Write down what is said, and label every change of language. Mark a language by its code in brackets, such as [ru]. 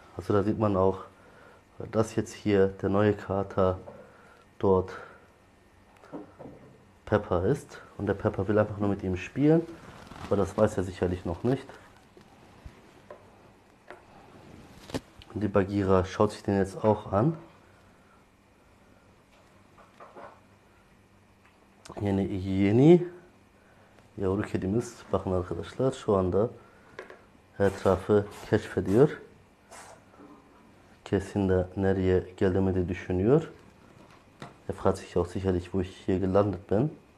[de] Also da sieht man auch, dass jetzt hier der neue Kater dort Pepper ist, und der Pepper will einfach nur mit ihm spielen, aber das weiß er sicherlich noch nicht. Die Bagheera schaut sich den jetzt auch an. [tr] Yeni yavru kedimiz, bakın arkadaşlar, şu anda etrafı keşfediyor. Kesin de nereye geldiğimi de düşünüyor. [de] Er fragt sich auch sicherlich, wo ich hier gelandet bin.